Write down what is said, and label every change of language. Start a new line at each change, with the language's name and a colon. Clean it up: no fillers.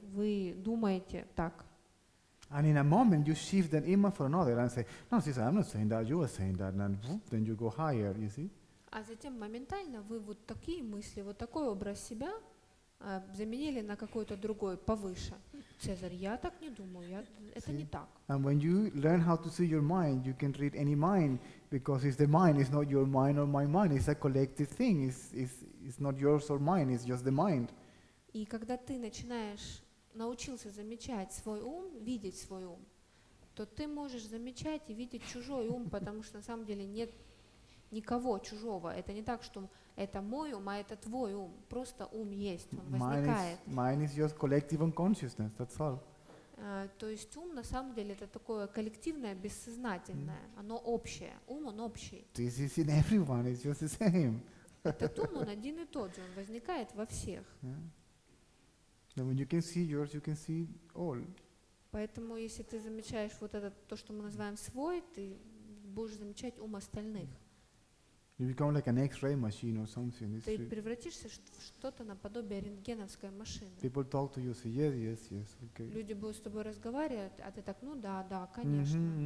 Russian: Вы думаете так.
English: And in a moment you shift that image for another and say, no, sister, I'm not saying that. You are saying that. And then you go higher, you see?
Russian: А затем моментально вы вот такие мысли, вот такой образ себя заменили на какой-то другой, повыше. Цезарь, я так не думаю, это
English: see?
Russian: Не так.
English: And when you learn how to see your mind, you can read any mind, because it's the mind, it's not your mind or my mind, it's a collective thing, it's not yours or mine, it's just the mind.
Russian: И когда ты начинаешь, научился замечать свой ум, видеть свой ум, то ты можешь замечать и видеть чужой ум, потому что на самом деле нет никого чужого. Это не так, что это мой ум, а это твой ум. Просто ум есть, он возникает.
English: Mine is just collective unconsciousness, that's all.
Russian: То есть ум на самом деле это такое коллективное, бессознательное. Оно общее. Ум, он общий.
English: This is in everyone, it's just the same.
Russian: Этот ум, он один и тот же, он возникает во всех.
English: Yeah. And when you can see yours, you can see all.
Russian: Поэтому если ты замечаешь вот это, то, что мы называем свой, ты будешь замечать ум остальных.
English: You become like an X-ray machine or something.
Russian: Ты превратишься в что-то наподобие рентгеновской машины.
English: People talk to you, say yes, yes, yes, okay.
Russian: Люди будут с тобой разговаривать, а ты так, ну да, да, конечно.